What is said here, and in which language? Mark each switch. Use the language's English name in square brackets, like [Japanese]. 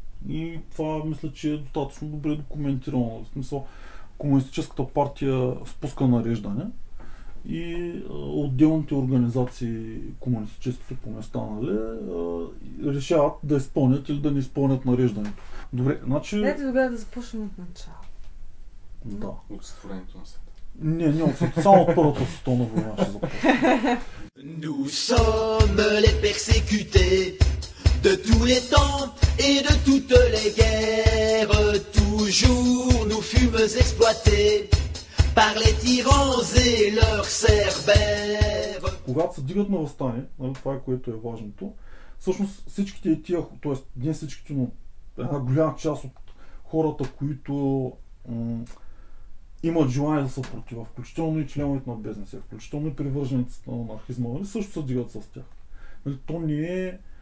[Bulgarian] И това мисля, че е достатъчно добре документирано. В смисъл, комунистическата партия спуска нареждане и отделните организации, комунистическите по места, нали, решават да изпълнят или да не изпълнят нареждането. Добре, значи... Дайте тогава да започнем от начало. Да. От сътворението на света. Не, от света. Само от първата световна война ще започнем. [French] Nous sommes les persécutés de tous les temps et de toutes les guerres. Toujours nous fûmes exploités par les tyrans et leurs cerbères. [Bulgarian] Когато се дигат на въстание, нали, това е което е важното, всъщност всичките тия, т.е. не всичките, но една голяма част от хората, които имат желание да съпротива, включително и членовете на бизнеса, включително и привържениците на анархизма, нали, също се дигат с тях. Нали, то не е...